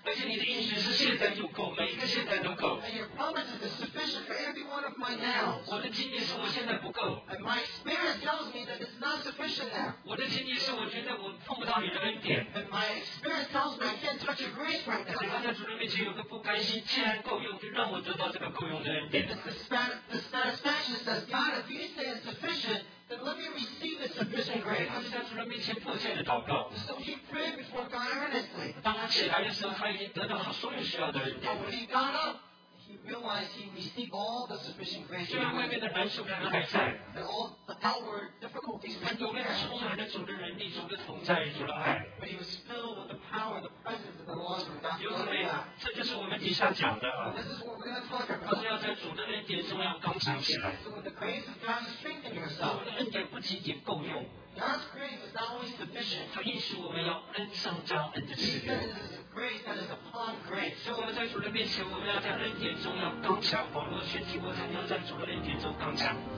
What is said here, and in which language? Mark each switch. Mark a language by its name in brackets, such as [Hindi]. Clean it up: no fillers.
[Chinese] 而且你的应许是现在就够，每一个现在都够。 [English] And your promises are sufficient for every one of my now. [Chinese] 我的经历是我现在不够。 [English] And my experience tells me that it's not sufficient now. [Chinese] 我的经历是我觉得我碰不到你的恩典。 [English] And my experience tells me I can't touch your grace right now. [Chinese] 我在主人面前有个不甘心，既然够用，就让我得到这个够用的恩典。 [English] The satisfaction says, God, if you say it's sufficient. Then let me receive this sufficient grace. [Chinese] 他是在主人面前迫切的祷告。 [English] So he prayed before God earnestly. [Chinese] 当他起来的时候，他已经得到他所有需要的恩典。 [English] But when he got up, he realized he received all the sufficient grace. [Chinese] 虽然外面的难处仍然还在。 [English] And all the outward difficulties. [Chinese] 他有那个充满了主的能力、主的同在、主的爱。 [English] But he was filled with the power, the presence of the Lord from God. [Chinese] 就是这样，这就是我们底下讲的啊。 [English] This is what we're going to talk about. [Chinese] 他是要在主的恩典中要刚强起来。 [English] So the grace of God is strengthening yourself. [Chinese] 我的恩典不仅仅够用。 [English] God's grace is not always sufficient. [Chinese] 他应许我们要恩上加恩的赐给。 [English] Grace that is upon grace. [Chinese] 所以我们在主的面前，我们要在恩典中要刚强。保罗劝提摩太要在主的恩典中刚强。